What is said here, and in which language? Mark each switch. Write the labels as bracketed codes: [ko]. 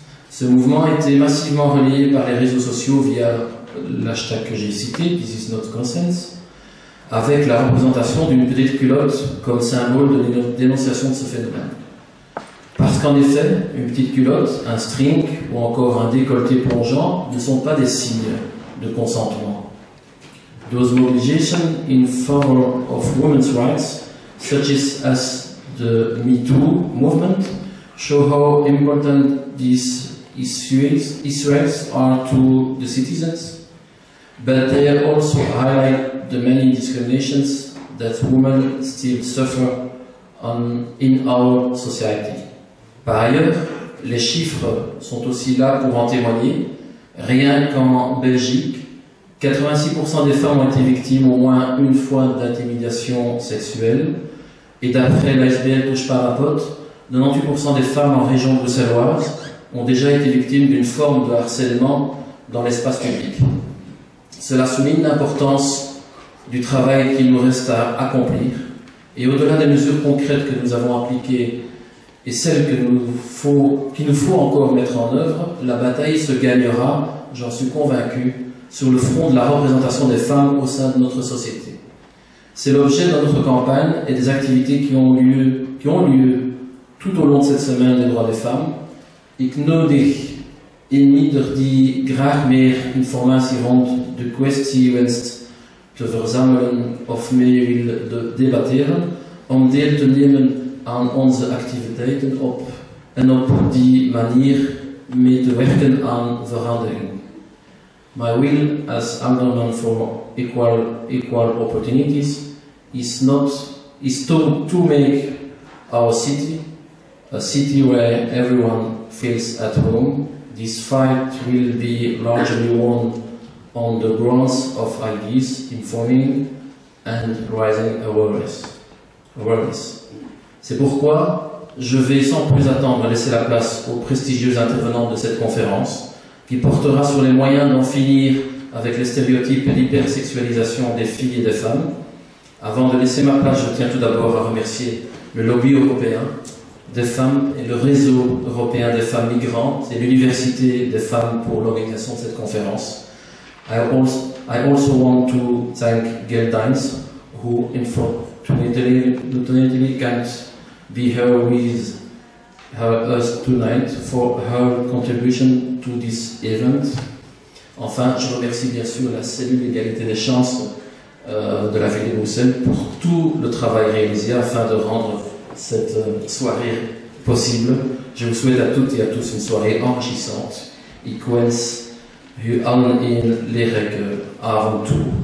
[fr] Ce mouvement a été massivement relayé par les réseaux sociaux via l'hashtag que j'ai cité, [en] This is not consent, [fr] avec la représentation d'une petite culotte comme symbole de dénonciation de ce phénomène. Parce qu'en effet, une petite culotte, un string ou encore un décolleté plongeant ne sont pas des signes de consentement. [en] Those mobilizations in favor of women's rights, such as the Me Too movement, show how important these issues are to the citizens, but they also highlight the many discriminations that women still suffer in our society. [fr] Par ailleurs, les chiffres sont aussi là pour en témoigner. Rien qu'en Belgique, 86% des femmes ont été victimes au moins une fois d'intimidation sexuelle. Et d'après l'ASBL Touche pas à ma pote, 98% des femmes en région bruxelloise ont déjà été victimes d'une forme de harcèlement dans l'espace public. Cela souligne l'importance du travail qu'il nous reste à accomplir. Et au-delà des mesures concrètes que nous avons appliquées et celles qu'il nous faut encore mettre en œuvre, la bataille se gagnera, j'en suis convaincu, sur le front de la représentation des femmes au sein de notre société. C'est l'objet de notre campagne et des activités qui ont lieu tout au long de cette semaine des droits des femmes. [nl] Ik nodig ieder die graag meer informatie rond de kwestie wenst te verzamelen of mee wil debatteren, om deel te nemen aan onze activiteiten op die manier mee te werken aan verandering. [en] My will as alderman for equal opportunities is to make our city a city where everyone feels at home. This fight will be largely won on the grounds of ideas, informing and rising awareness. [fr] C'est pourquoi je vais sans plus attendre laisser la place aux prestigieux intervenants de cette conférence, qui portera sur les moyens d'en finir avec les stéréotypes et l'hypersexualisation des filles et des femmes. Avant de laisser ma place, je tiens tout d'abord à remercier le lobby européen des femmes et le réseau européen des femmes migrantes et l'université des femmes pour l'organisation de cette conférence. [en] I also want to thank Geldines, who unfortunately can't be here with us tonight, for her contribution to this event. [fr] Enfin, je remercie bien sûr la cellule égalité des chances de la ville de Bruxelles pour tout le travail réalisé afin de rendre cette soirée possible. Je vous souhaite à toutes et à tous une soirée enrichissante. [nl] Ik wens u allen een leerrijke avond toe.